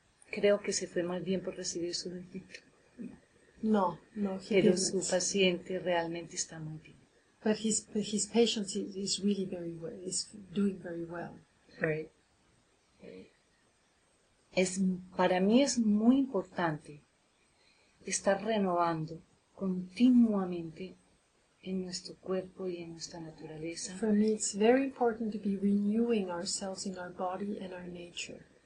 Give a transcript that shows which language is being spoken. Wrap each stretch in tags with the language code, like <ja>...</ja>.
<es>Creo que se fue más bien por recibir su Reiki. No. Pero su paciente realmente está muy bien.</es> <en>But his patient is really very well, is doing very well. Right.</en> <es>Para mí es muy importante estar renovando continuamente en nuestro cuerpo y en nuestra naturaleza.</es> <en>For me, it's very important to be renewing ourselves in our body and our nature.</en>